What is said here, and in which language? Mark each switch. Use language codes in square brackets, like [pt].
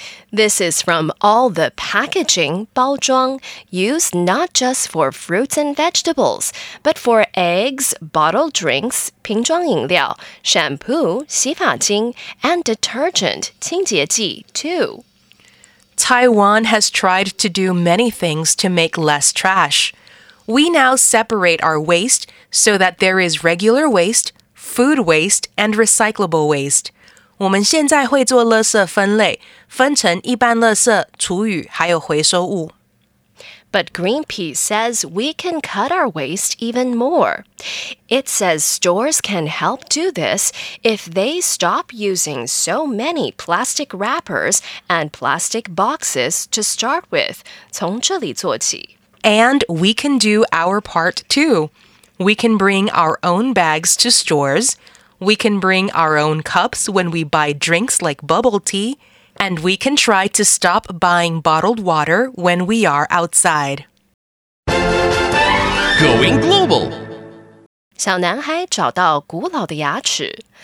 [en] This is from all the packaging, 包装, used not just for fruits and vegetables, but for eggs, bottled drinks, 瓶装饮料, shampoo, 洗发精, and detergent, 清洁剂, too. Taiwan has tried to do many things to make less trash. We now separate our waste so that there is regular waste, food waste, and recyclable waste. [zh] 我们现在会做垃圾分类，分成一般垃圾、厨余，还有回收物。 [en] But Greenpeace says we can cut our waste even more. It says stores can help do this if they stop using so many plastic wrappers and plastic boxes to start with. [zh] 从这里做起。 [en] And we can do our part too. We can bring our own bags to stores,We can bring our own cups when we buy drinks like bubble tea, and we can try to stop buying bottled water when we are outside. Going global. [zh] 小男孩找到古老的牙齿。